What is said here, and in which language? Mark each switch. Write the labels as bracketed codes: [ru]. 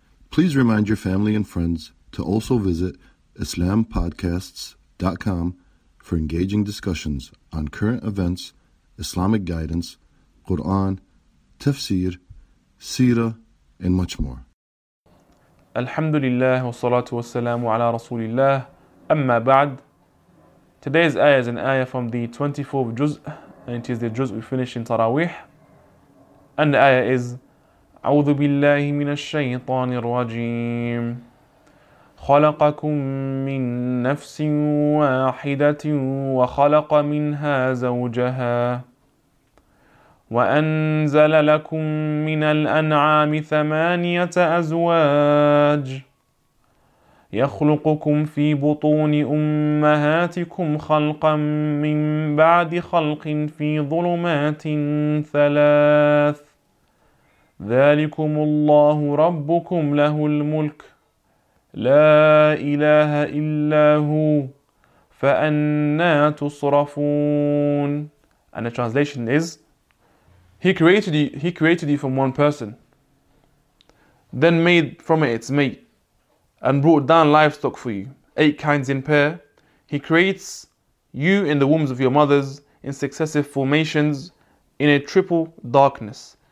[en] Please remind your family and friends to also visit IslamPodcasts.com for engaging discussions on current events, Islamic guidance, Quran, tafsir, seerah, and much more. [ar] الحمد لله والصلاة والسلام على رسول الله أما بعد. [en] Today's ayah is an ayah from the 24th juz, and it is the juz we finish in Taraweeh. And the ayah is [ar] أعوذ بالله من الشيطان الرجيم خلقكم من نفس واحدة وخلق منها زوجها وأنزل لكم من الأنعام ثمانية أزواج يخلقكم في بطون أمهاتكم خلقا من بعد خلق في ظلمات ثلاث ذلكم الله ربكم له الملك لا إله إلا هو فأنى تصرفون. [en] And the translation is, He created you from one person, then made from it its mate, and brought down livestock for you, eight kinds in pair. He creates you in the wombs of your mothers, in successive formations, in a triple darkness.